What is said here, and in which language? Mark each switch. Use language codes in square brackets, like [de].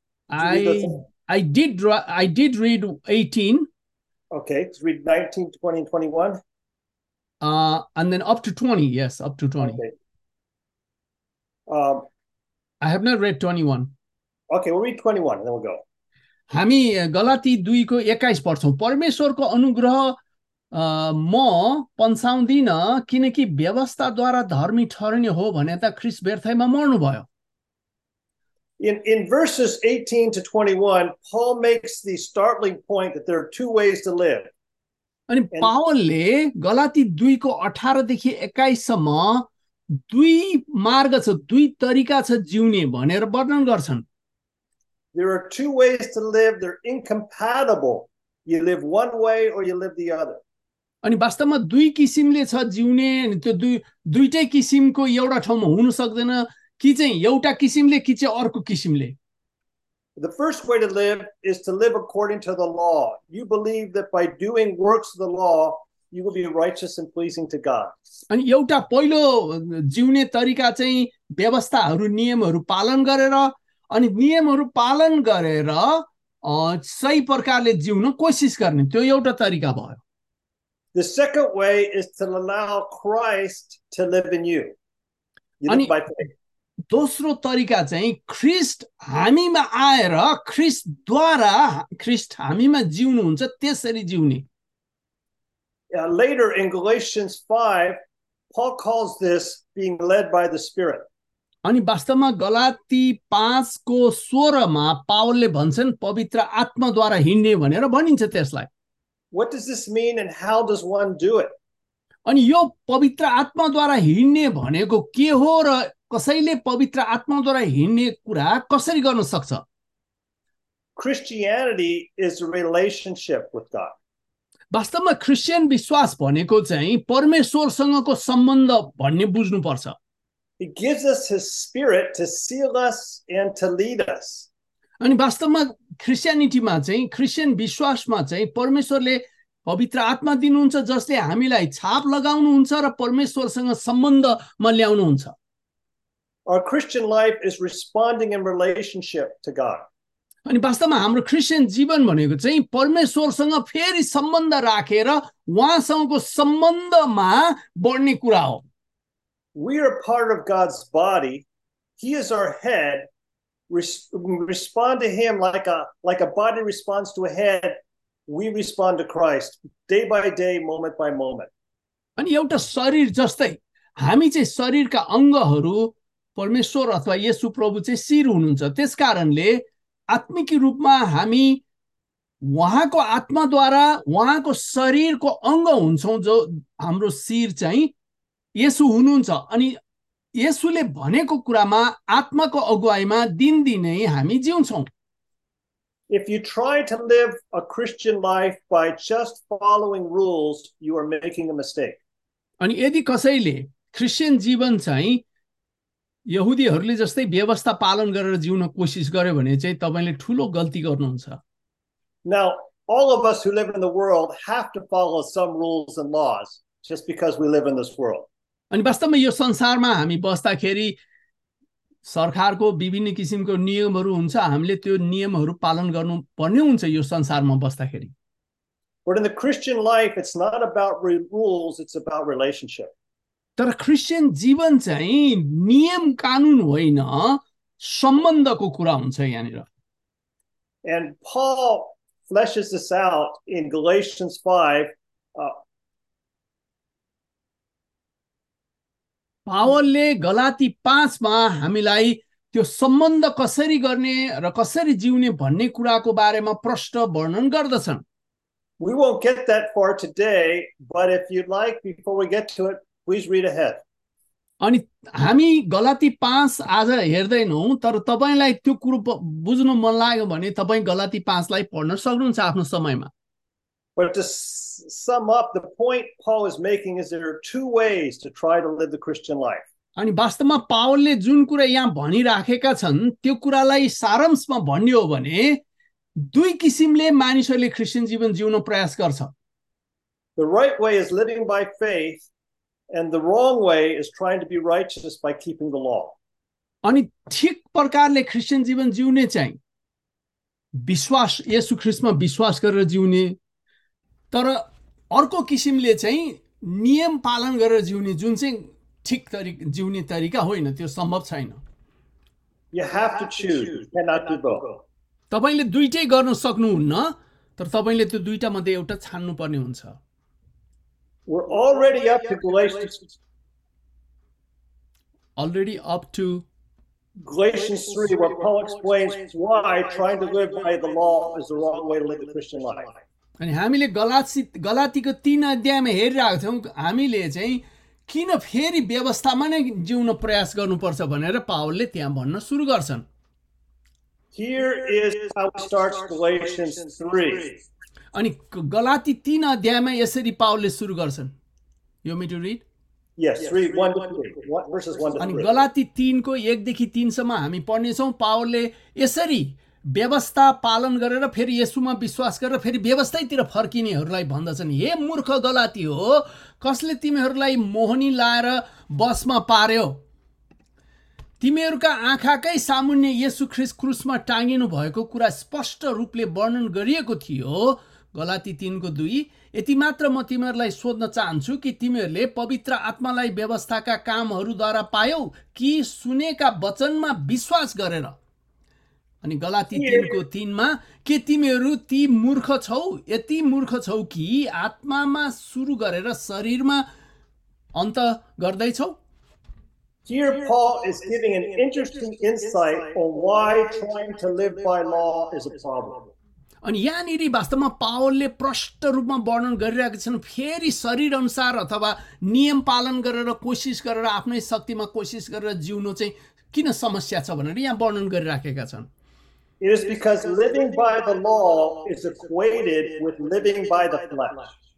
[en] I did read 18. Okay, let's read 19, 20, and 21. And then up to 20, yes, up to 20. Okay. I have not read 21. Okay, we'll read 21 and then we'll go. [ne] हामी गलाती 2:21 पढ्छौँ। परमेश्वरको अनुग्रह म पन्साउँदिन, किनकि व्यवस्थाद्वारा धर्मी ठहरिने हो भने त ख्रिस्ट व्यर्थैमा मर्नुभयो। [en] In verses 18 to 21, Paul makes the startling point that there are two ways to live. [ne] अनि पावलले गलाती दुईको 18 देखि 21 सम्म दुई मार्ग छ, दुई तरिका छ जिउने भनेर वर्णन गर्छन्। [en] There are two ways to live. They're incompatible. You live one way or you live the other. [ne] अनि वास्तवमा दुई किसिमले छ जिउने, त्यो दुई दुईटै किसिमको एउटा ठाउँमा हुन सक्दैन, कि चाहिँ एउटा किसिमले कि चाहिँ अर्को किसिमले। [en] The first way to live is to live according to the law. You believe that by doing works of the law, you will be righteous and pleasing to God. [ne] अनि एउटा पहिलो जिउने तरिका चाहिँ व्यवस्थाहरू, नियमहरू पालन गरेर, अनि नियमहरू पालन गरेर सही प्रकारले जिउन कोसिस गर्ने, त्यो एउटा तरिका भयो। [en] The second way is to allow Christ to live in you. You live by faith. [ne] दोस्रो तरिका चाहिँ ख्रिस्ट हामीमा आएर, ख्रिस्टद्वारा ख्रिस्ट हामीमा जिउनुहुन्छ, त्यसरी जिउने। [en] Later in Galatians 5, Paul calls this being led by the Spirit. [ne] अनि वास्तवमा गलाती 5:16 पावलले भन्छन् पवित्र आत्माद्वारा हिँड्ने भनेर भनिन्छ त्यसलाई। [en] What does this mean and how does one do it? [ne] अनि यो पवित्र आत्माद्वारा हिँड्ने भनेको के हो र कसैले पवित्र आत्माद्वारा हिँड्ने कुरा कसरी गर्न सक्छ? [en] Christianity is a relationship with God. [ne] वास्तवमा क्रिस्चियन विश्वास भनेको चाहिँ परमेश्वरसँगको सम्बन्ध भन्ने बुझ्नुपर्छ। [en] He gives us his spirit to seal us and to lead us. [ne] अनि वास्तवमा क्रिस्चियनिटीमा चाहिँ, क्रिस्चियन विश्वासमा चाहिँ परमेश्वरले पवित्र आत्मा दिनुहुन्छ जसले हामीलाई छाप लगाउनुहुन्छ र परमेश्वरसँग सम्बन्धमा ल्याउनुहुन्छ। [en] Our Christian life is responding in relationship to God. [ne] अनि वास्तवमा हाम्रो क्रिस्चियन जीवन भनेको चाहिँ परमेश्वरसँग फेरि सम्बन्ध राखेर उहाँसँगको सम्बन्धमा बढ्ने कुरा हो। [en] We are part of God's body. He is our head. Respond to him like a body responds to a head. We respond to Christ day by day, moment by moment. [ne] अनि एउटा शरीर जस्तै हामी चाहिँ शरीरका अङ्गहरू परमेश्वर अथवा येशु प्रभु चाहिँ शिर हुनुहुन्छ। त्यस कारणले आत्मिक रूपमा हामी उहाँको आत्माद्वारा उहाँको शरीरको अङ्ग हुन्छौँ, जो हाम्रो शिर चाहिँ येशु हुनुहुन्छ। अनि येशुले भनेको कुरामा, आत्माको अगुवाईमा दिनदिनै हामी जिउँछौँ। [en] If you try to live a Christian life by just following rules, you are making a mistake. [ne] अनि यदि कसैले क्रिस्चियन जीवन चाहिँ यहुदीहरूले जस्तै व्यवस्था पालन गरेर जिउन कोसिस गर्यो भने चाहिँ तपाईँले ठुलो गल्ती गर्नुहुन्छ। [en] Now, all of us who live in the world have to follow some rules and laws just because we live in this world. [ne] अनि वास्तवमा यो संसारमा हामी बस्दाखेरि सरकारको विभिन्न किसिमको नियमहरू हुन्छ, हामीले त्यो नियमहरू पालन गर्नुपर्ने हुन्छ यो संसारमा बस्दाखेरि। [en] But in the Christian life, it's not about rules, it's about relationship. [ne] तर क्रिस्चियन जीवन चाहिँ नियम कानुन होइन, सम्बन्धको कुरा हुन्छ यहाँनिर। [en] And Paul fleshes this out in Galatians 5. [ne] पावलले गलाती 5 हामीलाई त्यो सम्बन्ध कसरी गर्ने र कसरी जिउने भन्ने कुराको बारेमा प्रष्ट वर्णन गर्दछन्। [en] We won't get that far today, but if you'd like, before we get to it, please read ahead. [ne] अनि हामी गलाती 5 आज हेर्दैनौँ, तर तपाईँलाई त्यो कुरो बुझ्नु मन लाग्यो भने तपाईँ गलाती 5 पढ्न सक्नुहुन्छ आफ्नो समयमा। [en] But to sum up, the point Paul is making is there are two ways to try to live the Christian life. [ne] अनि वास्तवमा पावलले जुन कुरा यहाँ भनिराखेका छन् त्यो कुरालाई सारांशमा भन्ने हो भने दुई किसिमले मानिसहरूले क्रिस्चियन जीवन जिउन प्रयास गर्छ। [en] The right way is living by faith, and the wrong way is trying to be righteous by keeping the law. [ne] अनि ठिक प्रकारले क्रिस्चियन जीवन जिउने चाहिँ विश्वास, येशु ख्रिस्टमा विश्वास गरेर जिउने, तर अर्को किसिमले चाहिँ नियम पालन गरेर जिउने, जुन चाहिँ ठिक जिउने तरिका होइन, त्यो सम्भव छैन। [en] You have to choose. You cannot do both. [ne] तपाईँले दुइटै गर्न सक्नुहुन्न, तर तपाईँले त्यो दुइटा मध्ये एउटा छान्नु पर्ने हुन्छ। [en] We're already up to Galatians. Already up to Galatians 3, where Paul explains why trying to live by the law is the wrong way to live the Christian life. [ne] अनि हामीले गलातीको तीन अध्यायमा हेरिरहेको थियौँ, हामीले चाहिँ किन फेरि व्यवस्थामा नै जिउन प्रयास गर्नुपर्छ भनेर पावलले त्यहाँ भन्न सुरु गर्छन्। [en] Here is how it starts Galatians 3. [ne] अनि गलाती तीन अध्यायमा यसरी पावलले सुरु गर्छन्। [en] You want me to read? Yes, 3:1-3. [ne] अनि गलाती तीनको एकदेखि तीनसम्म हामी पढ्नेछौँ। पावलले यसरी व्यवस्था पालन गरेर फेरि येशूमा विश्वास गरेर फेरि व्यवस्थैतिर फर्किनेहरूलाई भन्दछन्, हे मूर्ख गलाती हो, कसले तिमीहरूलाई मोहनी लाएर बसमा पार्यो? तिमीहरूका आँखाकै सामुन्ने येशू ख्रिस्ट क्रुसमा टाँगिनु भएको कुरा स्पष्ट रूपले वर्णन गरिएको थियो। गलाती 3:2, यति मात्र म तिमीहरूलाई सोध्न चाहन्छु कि तिमीहरूले पवित्र आत्मालाई व्यवस्थाका कामहरूद्वारा पायौ कि सुनेका वचनमा विश्वास गरेर? अनि गलाती 3:3, के तिमीहरू ती मूर्ख छौ, यति मूर्ख छौ कि आत्मामा सुरु गरेर शरीरमा अन्त गर्दैछौ? [en] Here Paul is giving an interesting insight on why trying to live by law is a problem. [ne] अनि यहाँनिर वास्तवमा पावलले प्रष्ट रूपमा वर्णन गरिरहेका छन्, फेरि शरीर अनुसार अथवा नियम पालन गरेर कोसिस गरेर आफ्नै शक्तिमा कोसिस गरेर जिउनु चाहिँ किन समस्या छ भनेर यहाँ वर्णन गरिराखेका छन्। [en] It is because living by the law is equated with living by the flesh.